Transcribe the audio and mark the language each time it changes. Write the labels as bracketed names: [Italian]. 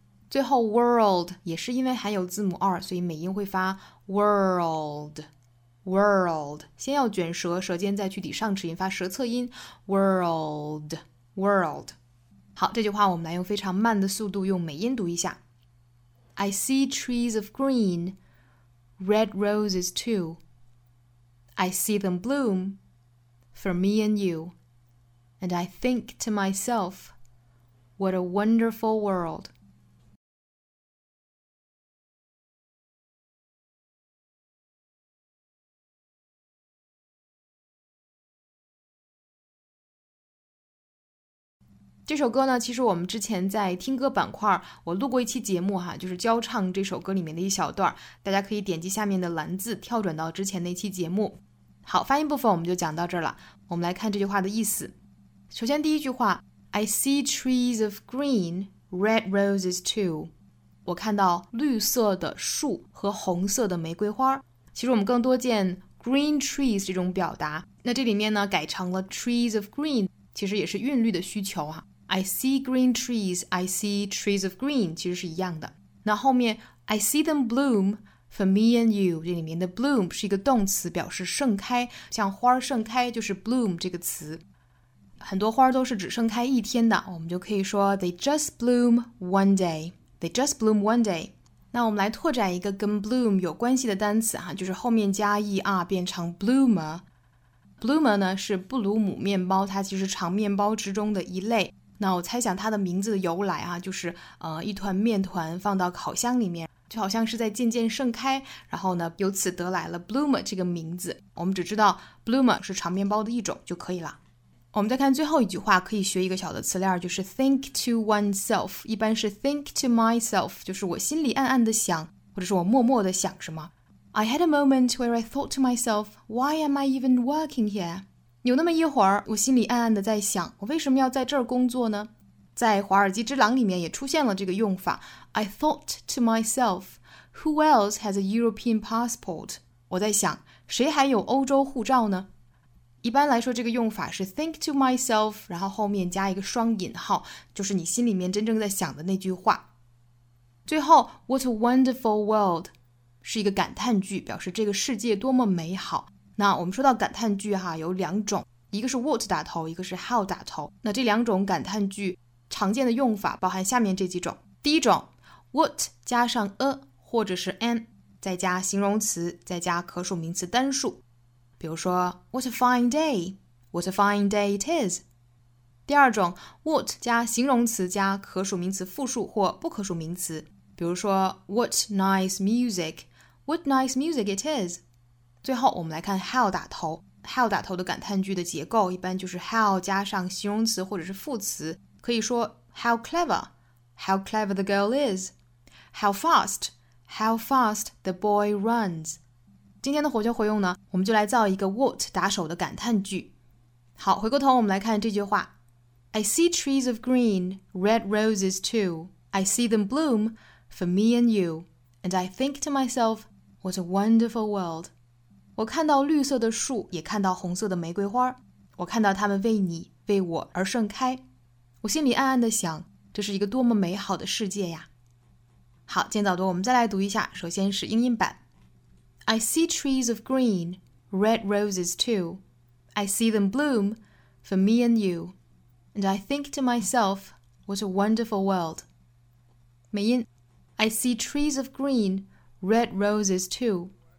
[Chinese] 最后 world 也是因为含有字母 r， 所以美音会发 world， 先要卷舌，舌尖再去抵上齿音发舌侧音 world。好，这句话我们来用非常慢的速度用美音读一下。 [English] I see trees of green, red roses too. I see them bloom for me and you. And I think to myself, what a wonderful world. [Chinese] 这首歌呢其实我们之前在听歌板块我录过一期节目哈，就是教唱这首歌里面的一小段，大家可以点击下面的蓝字跳转到之前那期节目。好，发音部分我们就讲到这儿了，我们来看这句话的意思。首先第一句话， [English] I see trees of green, red roses too， [Chinese] 我看到绿色的树和红色的玫瑰花。其实我们更多见 [English] green trees [Chinese] 这种表达，那这里面呢改成了 [English] trees of green， [Chinese] 其实也是韵律的需求啊。 [English] I see green trees, I see trees of green [Chinese] 其实是一样的。那后面 [English] I see them bloom for me and you， [Chinese] 这里面的 bloom 是一个动词，表示盛开，像花盛开就是 bloom 这个词。很多花都是只盛开一天的，我们就可以说 [English] They just bloom one day, [Chinese] They just bloom one day。那我们来拓展一个跟 bloom 有关系的单词啊，就是后面加 er 变成 bloomerBloomer 呢是布鲁姆面包，它其实长面包之中的一类。那我猜想它的名字的由来啊，就是一团面团放到烤箱里面，就好像是在渐渐盛开，然后呢，由此得来了 bloomer 这个名字。我们只知道 bloomer 是长面包的一种就可以了。我们再看最后一句话，可以学一个小的词链，就是 [English] think to oneself， [Chinese] 一般是 [English] think to myself， [Chinese] 就是我心里暗暗的想，或者是我默默的想什么。 [English] I had a moment where I thought to myself, why am I even working here? [Chinese] 有那么一会儿，我心里暗暗的在想，我为什么要在这儿工作呢？在华尔街之狼里面也出现了这个用法， [English] I thought to myself, who else has a European passport? [Chinese] 我在想，谁还有欧洲护照呢？一般来说，这个用法是 [English] think to myself， [Chinese] 然后后面加一个双引号，就是你心里面真正在想的那句话。最后 [English] what a wonderful world [Chinese] 是一个感叹句，表示这个世界多么美好。那我们说到感叹句哈，有两种，一个是 what 打头，一个是 how 打头。那这两种感叹句常见的用法包含下面这几种。第一种， what 加上 a 或者是 an， 再加形容词，再加可数名词单数，比如说 [English] What a fine day, what a fine day it is. [Chinese] 第二种， what 加形容词加可数名词复数或不可数名词，比如说 [English] What nice music, what nice music it is. [Chinese] 最后我们来看 how 打头。 how 打头的感叹句的结构一般就是 how 加上形容词或者是副词，可以说 [English] how clever, how clever the girl is, how fast, how fast the boy runs. [Chinese] 今天的活学活用呢，我们就来造一个 what 打手的感叹句。好，回过头我们来看这句话， [English] I see trees of green, red roses too. I see them bloom for me and you. And I think to myself, what a wonderful world. [Chinese] 我看到绿色的树，也看到红色的玫瑰花，我看到它们为你为我而盛开，我心里暗暗地想，这是一个多么美好的世界呀。好，见早读我们再来读一下，首先是英音版。 [English] I see trees of green, red roses too. I see them bloom for me and you. And I think to myself, what a wonderful world. [Chinese] 美音， [English] I see trees of green, red roses too.